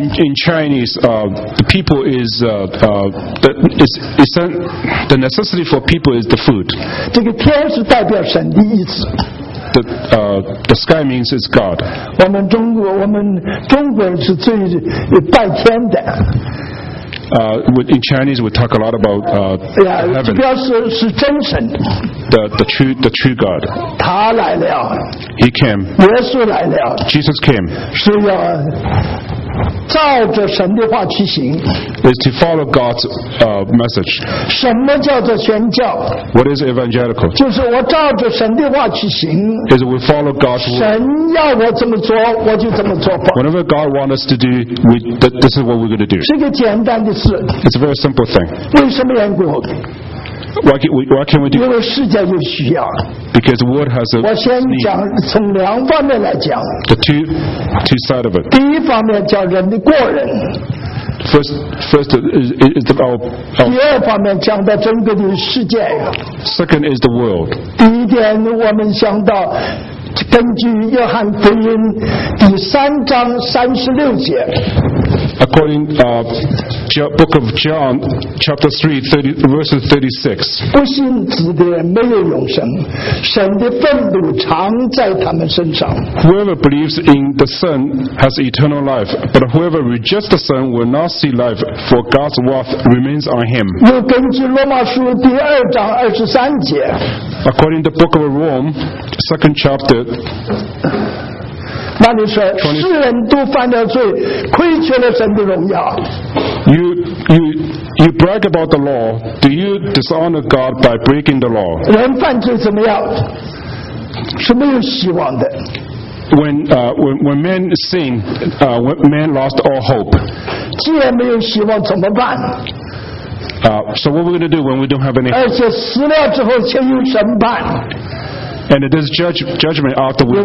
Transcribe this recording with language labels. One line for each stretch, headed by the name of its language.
English: In Chinese, the people is the necessity for people is the food.
Chinese: 这个天是代表神的意思。
English: The sky means it's God.
Chinese: 我们中国人是最拜天的。
English: In Chinese, we talk a lot about heaven.
Chinese: 表示是真神。
English: The true God.
Chinese: 他来了。
English: He came.
Chinese: 耶稣来了。
English: Jesus came.
Chinese: 是要照着神的话去行。
English: Is to follow God's message.
Chinese: 什么叫做宣教？
English: What is evangelical?
Chinese: 就是我照着神的话去行。
English: Is we follow God's word.
Chinese: 神要我这么做，我就这么做吧。
English: Whenever God wants us to do, this is what we're going to do.
Chinese: 是个简单的事。
English: It's a very simple thing.
Chinese: 为什么缘故？
English: Why can we do?
Chinese: 因为世界有需要。
English: Because the world has a need.
Chinese: 我先讲从两方面来讲。
English: The two sides of it.
Chinese: 第一方面叫人的过人。
English: First is our.
Chinese: 第二方面讲到整个的世界。
English: Second is the world.
Chinese: 第一点我们想到，根据约翰福音第三章三十六节。
English: according book of John chapter 3 verses 36, whoever believes in the Son has eternal life, but whoever rejects the Son will not see life, for God's wrath remains on him. According to the book of Rome, second chapter,
Chinese: 那你说, 20, 世人都犯了罪, 亏缺了神的荣耀,
English: you brag about the law, do you dishonor God by breaking the law?
Chinese: 人犯罪怎么样?是没有希望的。
English: When man sinned, man lost all hope.
Chinese: 既然没有希望怎么办?
English: So what are we going to do when we don't have any hope?
Chinese: 而且死了之后却有审判。
English: And it is judgment after we die.